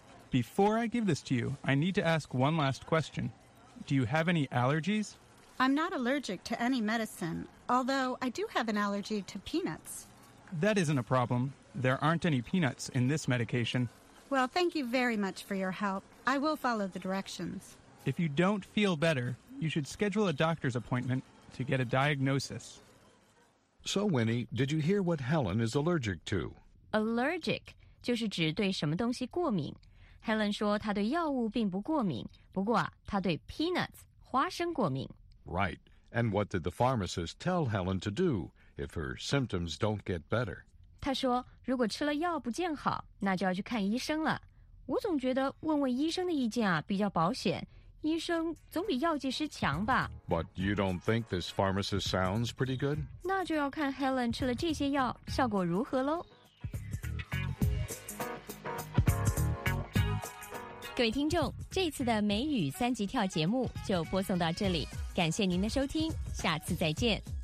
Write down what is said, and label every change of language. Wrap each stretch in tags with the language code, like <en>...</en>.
<en>Before I give this to you, I need to ask one last question. Do you have any allergies? I'm not allergic to any medicine, although I do have an allergy to peanuts. That isn't a problem. There aren't any peanuts in this medication. Well, thank you very much for your help. I will follow the directions. If you don't feel better, you should schedule a doctor's appointment to get a diagnosis. So, Winnie, did you hear what Helen is allergic to?</en> <zh>Allergic 就是指对什么东西过敏。Helen 说她对药物并不过敏，不过啊，她对 peanuts 花生过敏。</zh> <en>Right. And what did the pharmacist tell Helen to do if her symptoms don't get better?</en> <zh>她说，如果吃了药不见好，那就要去看医生了。我总觉得问问医生的意见啊比较保险，医生总比药剂师强吧。</zh> <en>But you don't think this pharmacist sounds pretty good?</en> <zh>那就要看 Helen 吃了这些药效果如何喽。各位听众，这次的美语三级跳节目就播送到这里，感谢您的收听，下次再见。</zh>